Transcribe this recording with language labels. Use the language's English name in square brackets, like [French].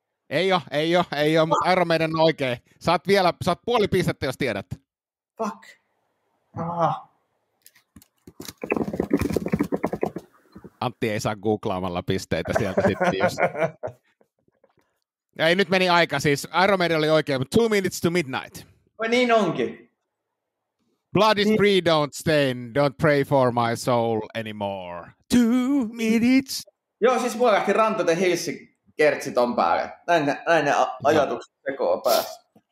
[Finnish] Ei ole, mutta Iron Maiden on oikein. Saat puoli pistettä, jos tiedät. [English] Fuck. [Finnish] Antti ei saa googlaamalla pisteitä sieltä sitten just. Ei, nyt meni aika. Siis Iron Maiden oli oikein, mutta 2 Minutes to Midnight. No niin onkin. [English] Blood is free, don't stain, don't pray for my soul anymore. 2 Minutes. [Finnish] Joo, siis mulla lähti Run to the Hills -kertsi ton päälle. Näin ne ajatukset tekoa päässä.